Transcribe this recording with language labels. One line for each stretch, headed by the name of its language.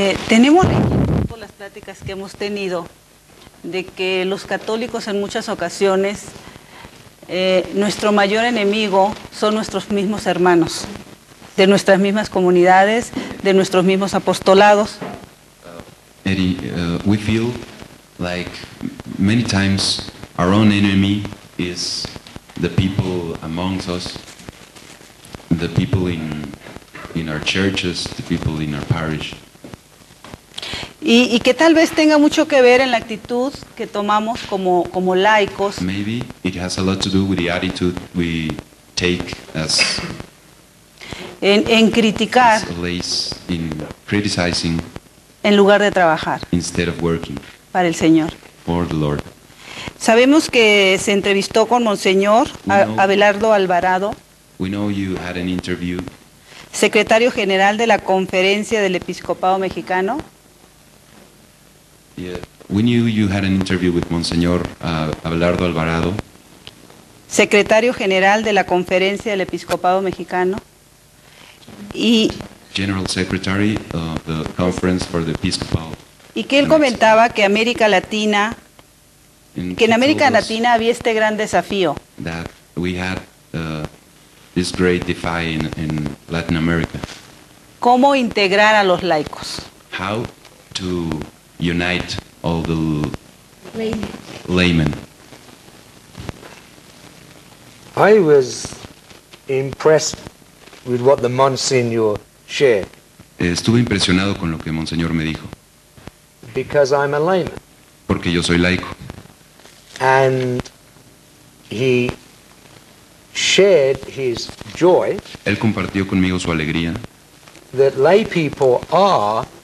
Spanish: Tenemos por las pláticas que hemos tenido de que los católicos en muchas ocasiones nuestro mayor enemigo son nuestros mismos hermanos. De nuestras mismas comunidades, de nuestros mismos apostolados.
English: Eddie, we feel like many times our own enemy is the people amongst us, the people in our churches, the people in our parish.
Spanish: Y que tal vez tenga mucho que ver en la actitud que tomamos como laicos.
English: Maybe it has a lot to do with the attitude we take as
Spanish: En criticar,
English: in criticizing,
Spanish: en lugar de trabajar,
English: instead of working,
Spanish: para el Señor.
English: For the Lord.
Spanish: Sabemos que se entrevistó con Monseñor Abelardo Alvarado,
English: we know you had an interview,
Spanish: secretario general de la Conferencia del Episcopado Mexicano.
English: Yeah. We knew you had an interview with Monseñor Abelardo Alvarado,
Spanish: secretario general de la Conferencia del Episcopado Mexicano. Y
English: General Secretary of the Conference for the Episcopal.
Spanish: Y que él comentaba que América Latina, que en América Latina había este gran desafío.
English: That we had this great defy in Latin America.
Spanish: ¿Cómo integrar a los laicos?
English: How to unite all the laymen. I was impressed with what the Monsignor shared.
Spanish: Estuve impresionado con lo que Monseñor me dijo.
English: Because I'm a layman.
Spanish: Porque yo soy laico.
English: And he shared his joy.
Spanish: Él compartió conmigo su alegría.
English: That lay people are